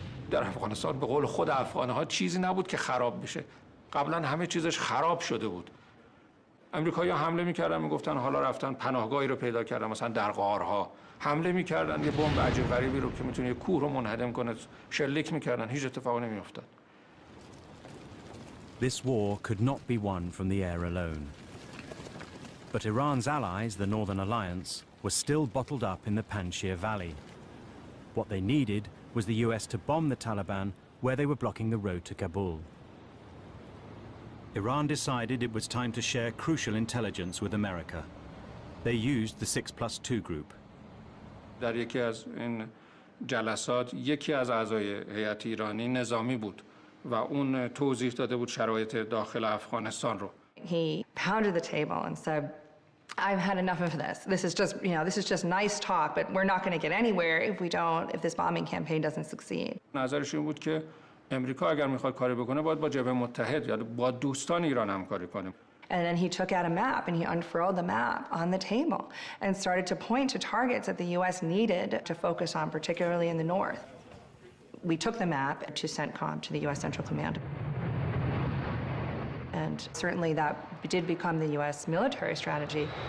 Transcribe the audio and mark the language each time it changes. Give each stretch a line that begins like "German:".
Persian: در افغانستان به قول خود افغان‌ها چیزی نبود که خراب بشه. قبلا همه چیزش خراب شده بود. آمریکایی‌ها حمله می‌کردن می‌گفتن حالا رفتن پناهگاهی رو پیدا کردن مثلا در غارها. حمله می‌کردن یه بمب عجیب غریبی رو که می‌تونه یه کوه رو منهدم کنه شلیک می‌کردن هیچ اتفاقی نمی‌افتاد.
English: This war could not be won from the air alone. But Iran's allies, the Northern Alliance, were still bottled up in the Panjshir Valley. What they needed was the US to bomb the Taliban where they were blocking the road to Kabul. Iran decided it was time to share crucial intelligence with America. They used the 6+2 group.
Persian: در یکی از این جلسات یکی از اعضای هیئت ایرانی نظامی بود و اون توضیح داده بود شرایط داخل افغانستان رو.
English: He pounded the table and said, "I've had enough of this. This is just, you know, this is just nice talk, but we're not going to get anywhere if we don't, if this bombing campaign doesn't succeed."
Persian: نظرش این بود که آمریکا اگر میخواد کاری بکنه باید با جبهه متحد یا با دوستان ایران همکاری کنه.
English: And then he took out a map and he unfurled the map on the table and started to point to targets that the US needed to focus on, particularly in the north. We took the map to CENTCOM, to the US Central Command. And certainly that did become the US military strategy.